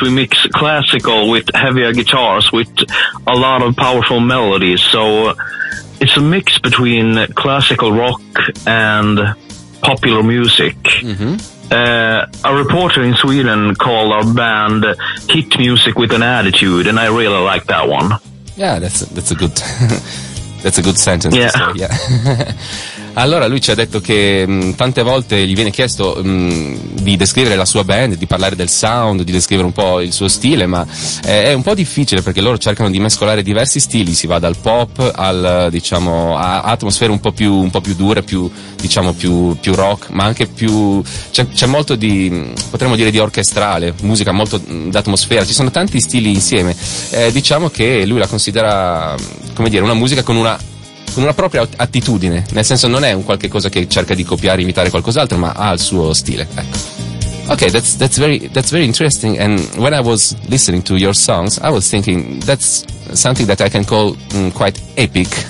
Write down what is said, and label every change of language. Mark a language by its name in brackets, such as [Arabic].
[English] We mix classical with heavier guitars with a lot of powerful melodies, so it's a mix between classical rock and popular music. Mm-hmm. A reporter in Sweden called our band Hit Music with an Attitude, and I really like that one. Yeah, that's a good that's a good sentence. Yeah. So, yeah. [Italian] Allora, lui ci ha detto che tante volte gli viene chiesto di descrivere la sua band, di parlare del sound, di descrivere un po' il suo stile, ma è un po' difficile perché loro cercano di mescolare diversi stili, si va dal pop al, diciamo, a atmosfere un po' più dure, più, diciamo, più rock, ma anche più, c'è molto di, potremmo dire, di orchestrale, musica molto d'atmosfera, ci sono tanti stili insieme. Diciamo che lui la considera, come dire, una musica con una propria attitudine, nel senso non è un qualche cosa che cerca di copiare, imitare qualcos'altro, ma ha il suo stile. Ecco. [English] Okay, that's very interesting. And when I was listening to your songs, I was thinking that's something that I can call quite epic.